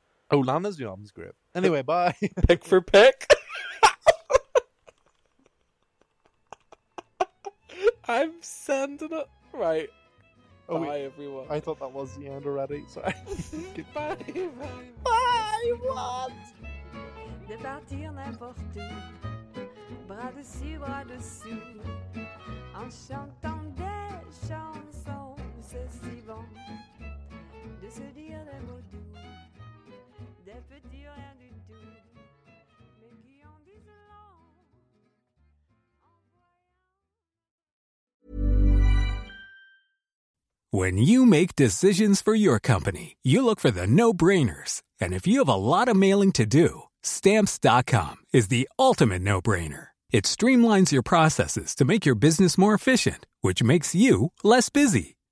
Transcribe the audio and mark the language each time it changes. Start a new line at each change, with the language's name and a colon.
English: Oh, Lana's your mom's grip. Anyway, bye. Pick for pick. I'm sending it. Right. Oh, bye, wait. Everyone. I thought that was the end already. Sorry. Bye, bye. Bye, what?
French: De partir n'importe où, bras dessus, bras dessous, en chantant des chansons, c'est si bon de se dire des mots doux, des petits rien du tout.
English: When you make decisions for your company, you look for the no-brainers. And if you have a lot of mailing to do, Stamps.com is the ultimate no-brainer. It streamlines your processes to make your business more efficient, which makes you less busy.